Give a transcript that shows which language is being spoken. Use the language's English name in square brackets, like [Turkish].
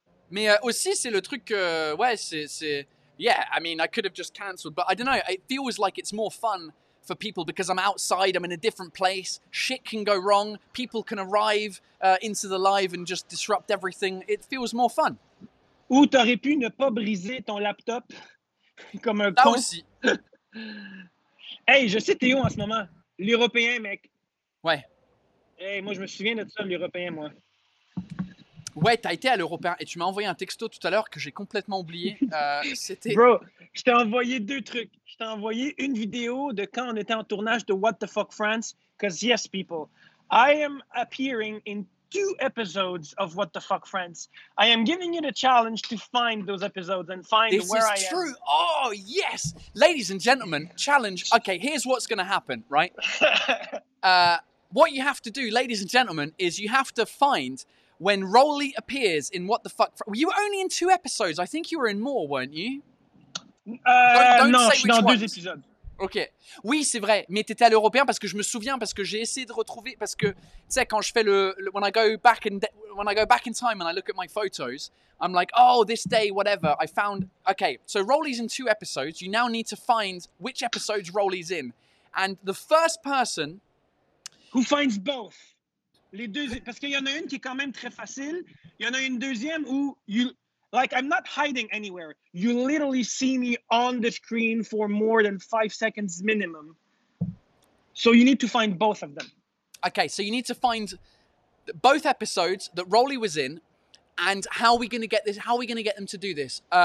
[French] Mais aussi, c'est le truc que, ouais, c'est... [English] Yeah, I mean, I could have just cancelled, but I don't know. It feels like it's more fun for people because I'm outside, I'm in a different place. Shit can go wrong. People can arrive into the live and just disrupt everything. It feels more fun. [French] Ou t'aurais pu ne pas briser ton laptop comme un con. Ça aussi. Hey, je sais Théo en ce moment. L'Européen, mec. Ouais. Hey, moi, je me souviens de ça, l'Européen, moi. Ouais, t'as été à l'Européen et tu m'as envoyé un texto tout à l'heure que j'ai complètement oublié. C'était... Bro, je t'ai envoyé deux trucs. Je t'ai envoyé une vidéo de quand on était en tournage de What the Fuck France. [English] Because yes, people, I am appearing in two episodes of What the Fuck France. I am giving you the challenge to find those episodes and find this where I am. This is true. Oh, yes. Ladies and gentlemen, challenge. Okay, here's what's going to happen, right? What you have to do, ladies and gentlemen, is you have to find... When Rolly appears in What the Fuck... Were you only in two episodes? I think you were in more, weren't you? [French] Non, je suis dans deux épisodes. OK. Oui, c'est vrai. Mais t'étais à l'Européen parce que je me souviens, parce que j'ai essayé de retrouver... Parce que, tu sais, quand je fais le... [English] When I go back in time and I look at my photos, I'm like, oh, this day, whatever, I found... OK, so Rolly's in two episodes. You now need to find which episodes Rolly's in. And the first person... Who finds both? [French] Les deux, parce qu'il y en a une qui est quand même très facile. Il y en a une deuxième où, [English] you, like, I'm not hiding anywhere. You literally see me on the screen for more than 5 seconds minimum. So you need to find both of them. Okay, so you need to find both episodes that Rolly was in. And how are we going to get this? How are we going to get them to do this?